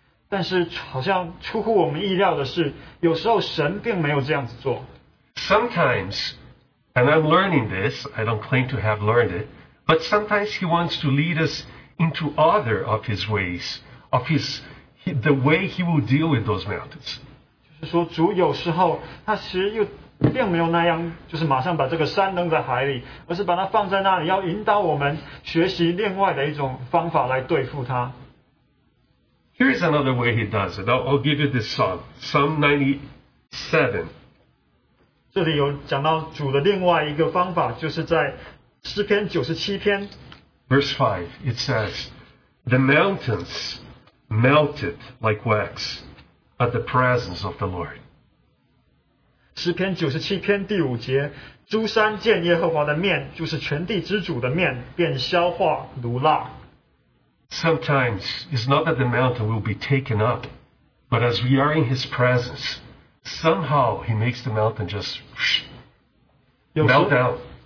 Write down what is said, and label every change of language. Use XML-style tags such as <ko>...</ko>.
<zh>但是好像出乎我们意料的是,有时候神并没有这样子做。</zh> <en>Sometimes, and I'm learning this, I don't claim to have learned it, but sometimes he wants to lead us into other of his ways, of his the way he will deal with those mountains.</en> <zh>就是说主有时候他其实又并没有那样就是马上把这个山扔在海里,而是把它放在那里,要引导我们学习另外的一种方法来对付它。</zh> <en>Here is another way he does it. I'll give you this Psalm, Psalm 97.</en> <zh>这里有讲到主的另外一个方法,就是在诗篇97篇,</zh> <en>verse 5, it says, the mountains melted like wax at the presence of the Lord.</en> <zh>诗篇97篇第5节, 诸山见耶和华的面,就是全地之主的面,便消化如蜡。</zh> <en>Sometimes it's not that the mountain will be taken up, but as we are in His presence, somehow He makes the mountain just melt out.</en>